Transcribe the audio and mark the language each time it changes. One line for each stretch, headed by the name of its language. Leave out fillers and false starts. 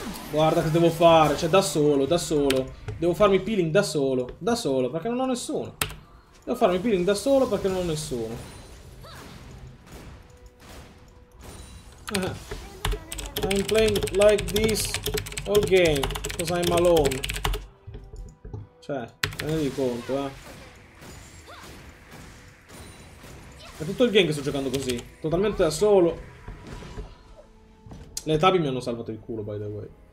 Italian: Guarda che devo fare, cioè da solo. Devo farmi peeling da solo, perché non ho nessuno. Devo farmi peeling da solo perché non ho nessuno.
English: I'm playing like this all game, because I'm alone.
Italian: Cioè, te ne di conto, È tutto il game che sto giocando così, totalmente da solo. Le tabi mi hanno salvato il culo,
English: by the way.